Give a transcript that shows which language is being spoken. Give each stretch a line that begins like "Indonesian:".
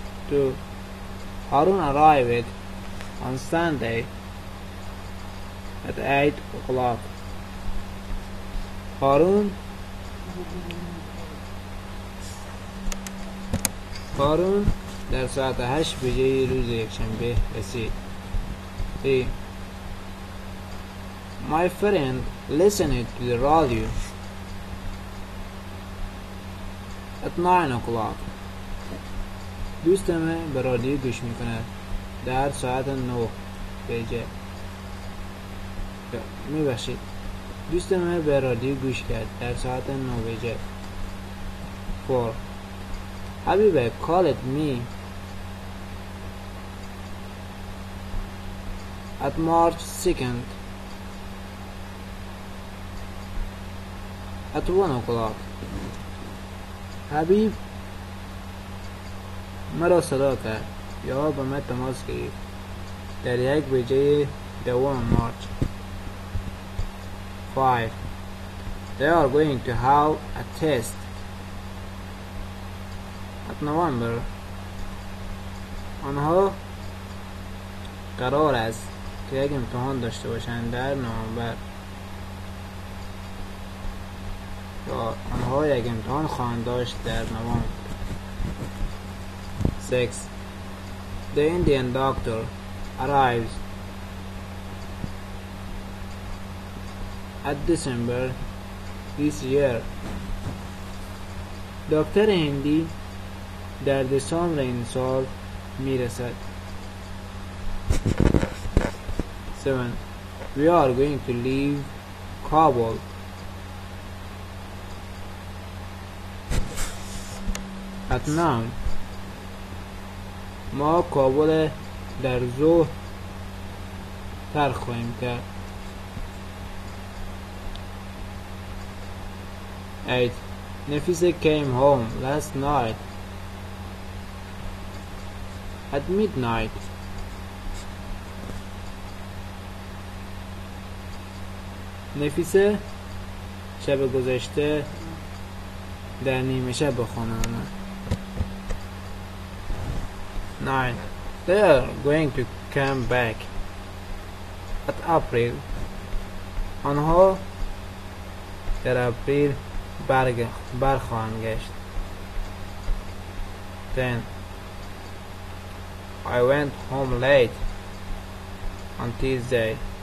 English: Two. Harun arrived on Sunday at 8 o'clock.
Persian: هارون در ساعت 8 بجه روز یکشنبه رسید.
English: My friend listened to the radio at 9 o'clock.
Persian: دوستم به رادیو گوش میکند در ساعت 9 بجه. میبخشید. دوستم به رادیو گوش کرد در ساعت 9 بجه.
English: 4. حبیبه called me at March 2nd at 1 o'clock.
Persian: حبیب مرا صدا کرد یا به من تماس گرفت در 1 بجه دوم مارچ.
English: 5. They are going to have a test at November.
Persian: آنها قرار است که یک امتحان داشته باشند در نوامبر. آنها یک امتحان خواهند داشت در نوامبر.
English: 6. The Indian doctor arrives at December this year.
Persian: دکتر هندی در دسامبر این سال میرسد.
English: 7. We are going to leave Kabul at 9.
Persian: ما کابل در ظهر ترک خواهیم کرد.
English: 8. Nafisa came home last night at midnight. 9.
Persian: Nafisa شب گذشته در نیمه شب به خانه آمد.
English: 9. They are going to come back at April.
Persian: آنها در آپریل برخواهند گشت.
English: 10. I went home late on Tuesday.